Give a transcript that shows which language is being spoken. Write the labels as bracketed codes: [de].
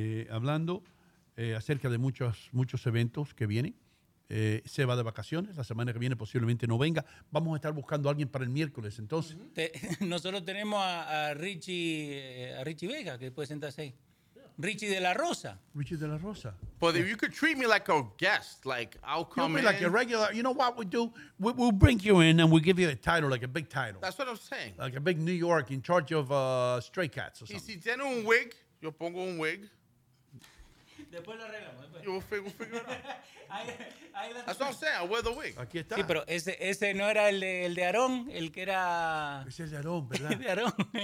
[es] Hablando acerca de muchos eventos que vienen. Se va de vacaciones. La semana que viene posiblemente no venga. Vamos a estar buscando a alguien para el miércoles, entonces. Uh-huh. Nosotros tenemos a Richie Vega, que puede sentarse ahí. Richie de la Rosa. Richie de la Rosa. [en] But if you could treat me like a guest, like I'll come you'll be in. Like a regular, you know what we do? We'll bring you in and we'll give you a title, like a big title. That's what I'm saying. Like a big New York in charge of Stray Cats or something. [es] Y si tiene un wig, yo pongo un wig. Después lo arreglamos. [en] You will figure it out. That's what I'm saying. I wear the wig. [es] Aquí está. Sí, pero ese no era el de Aarón, el que era... Ese es de Aarón, ¿verdad? De Aarón.